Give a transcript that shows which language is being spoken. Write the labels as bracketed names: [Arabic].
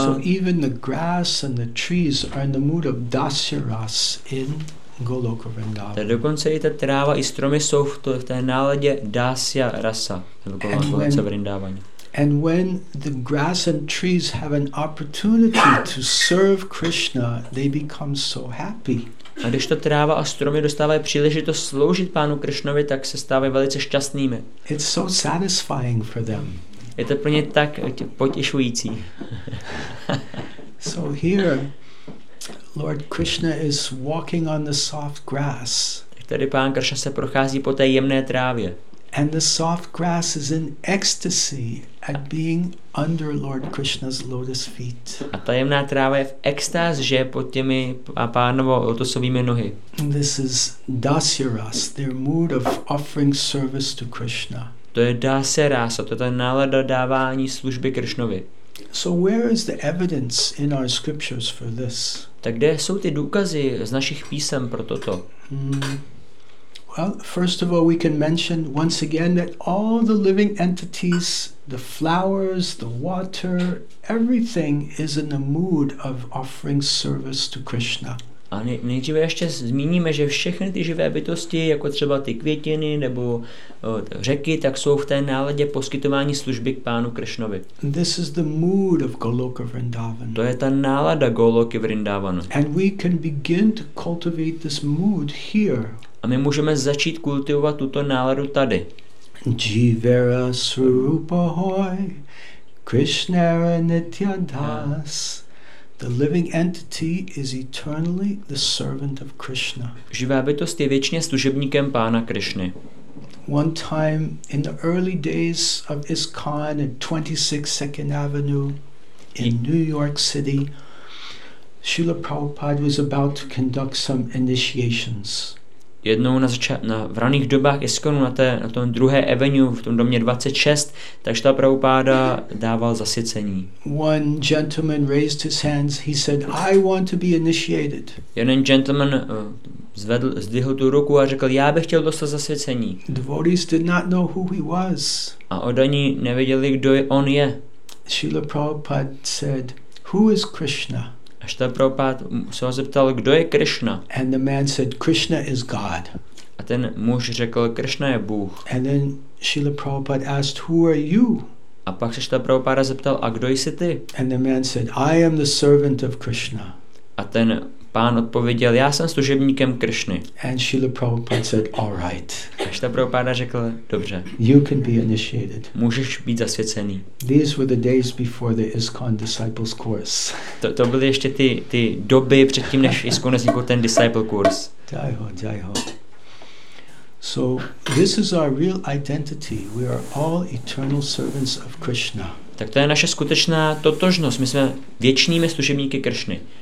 [English] So even the grass and the trees are in the mood of Dasyaras in Goloka Vrindavan. [Czech] Tak dokonce i ta tráva i stromy jsou v té náladě Dasya rasa v Goloka Vrindavan. [English] And when the grass and trees have an opportunity to serve Krishna, they become so happy. [Czech] A když to tráva a stromy dostávají příležitost sloužit pánu Krishnovi, tak se stávají velice šťastnými. [English] It's so satisfying for them. [Czech] Je to pro ně tak potěšující. [English] So here Lord Krishna is walking on the soft grass. [Czech] Tady pán Krishna se prochází po té jemné trávě. [English] And the soft grass is in ecstasy at being under Lord Krishna's lotus feet. [Czech] A ta jemná tráva je v extáze, že je pod těmi pánovo lotosovými nohy. [English] This is Dasyaras, their mood of offering service to Krishna. [Czech] To je Dasyarasa, to je ta nálada dávání služby Krishnovi. [English] So where is the evidence in our scriptures for this? [Czech] Tak kde jsou ty důkazy z našich písem pro toto? [English] Well, first of all, we can mention once again that all the living entities, the flowers, the water, everything is in the mood of offering service to Krishna. [Czech] A nejdříve ještě zmíníme, že všechny ty živé bytosti, jako třeba ty květiny nebo řeky, tak jsou v té náladě poskytování služby k pánu Krishnovi. [English] This is the mood of Goloka Vrindavan. [Czech] To je ta nálada Goloky Vrindavanu. [English] And we can begin to cultivate this mood here. [Czech] A my můžeme začít kultivovat tuto náladu tady. [Bangla] Jivera Srupahoy Krishnara Nityadas. [English] The living entity is eternally the servant of Krishna. [Czech] Živá bytost je věčně služebníkem pána Krišny. [English] One time in the early days of ISKCON at 26 Second Avenue in New York City, Srila Prabhupada was about to conduct some initiations. [Czech] Jednou v raných dobách ISKCONu na tom druhé avenue v tom domě 26, tak Srila Prabhupada dával zasvěcení. [English] One gentleman raised his hands. He said, "I want to be initiated." [Czech] Jeden gentleman zdvihl tu ruku a řekl, já bych chtěl dostat zasvěcení. [English] Devotees did not know who he was. [Czech] A oni nevěděli, kdo on je. [English] Srila Prabhupada said, "Who is Krishna?" [Czech] A Srila Prabhupada se ho zeptal, kdo je Krishna. [English] And the man said, Krishna is God. [Czech] A ten muž řekl, Krishna je Bůh. [English] And then Srila Prabhupada asked, who are you? [Czech] A pak se Srila Prabhupada zeptal, a kdo jsi ty? [English] And the man said, I am the servant of Krishna. [Czech] A ten pán odpověděl, já jsem služebníkem Krishny. [English] And Srila Prabhupada said, all right. [Czech] A Srila Prabhupada řekl, dobře. [English] You can be initiated. [Czech] Můžeš být zasvěcený. [English] These were the days before the ISKCON disciples course. [Czech] To byly ještě ty doby předtím, než ISKCON vznikl ten disciple course. [Hindi] Jai ho. [English] So this is our real identity. We are all eternal servants of Krishna. [Czech] Tak to je naše skutečná totožnost. My jsme věčnými služebníky Krishny.